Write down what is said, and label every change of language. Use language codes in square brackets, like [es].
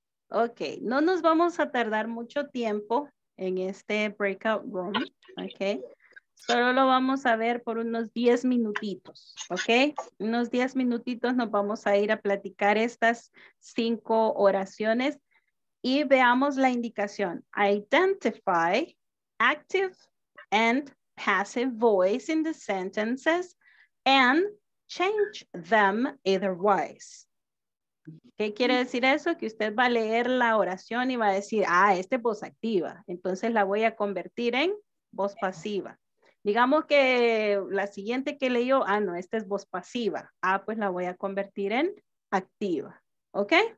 [es] Ok, no nos vamos a tardar mucho tiempo en este breakout room, ok. Solo lo vamos a ver por unos 10 minutitos, ok. Unos 10 minutitos nos vamos a ir a platicar estas 5 oraciones y veamos la indicación. [en] Identify active and passive voice in the sentences and change them otherwise. [es] ¿Qué quiere decir eso? Que usted va a leer la oración y va a decir, ah, este es voz activa. Entonces la voy a convertir en voz pasiva. Digamos que la siguiente que leyó, ah, no, esta es voz pasiva. Ah, pues la voy a convertir en activa. ¿Ok?